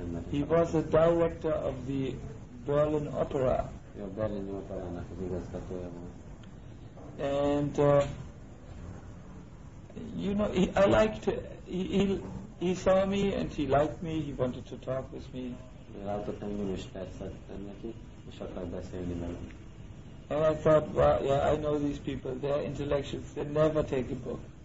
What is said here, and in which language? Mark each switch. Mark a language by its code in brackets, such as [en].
[en] He was the director of the Berlin Opera. [hu] Ja, Berlin Operának az igazgatója volt. [en] And he saw me and he liked me, he wanted to talk with me. And I thought, well, yeah, I know these people, they're intellectuals, they never take a book.